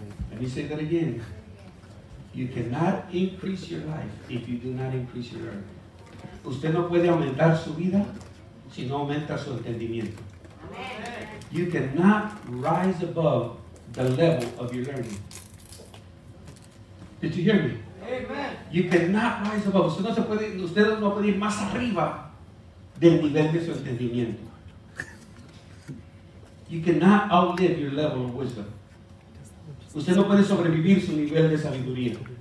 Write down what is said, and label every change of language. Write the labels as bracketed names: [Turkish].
[English] Let me say that again. You cannot increase your life if you do not increase your learning. [Spanish] Usted no puede aumentar su vida si no aumenta su entendimiento. [English] You cannot rise above the level of your learning. Did you hear me? You cannot rise above. [Spanish] Usted no puede ir más arriba del nivel de su entendimiento. [English] You cannot outlive your level of wisdom. [Spanish] Usted no puede sobrevivir su nivel de sabiduría.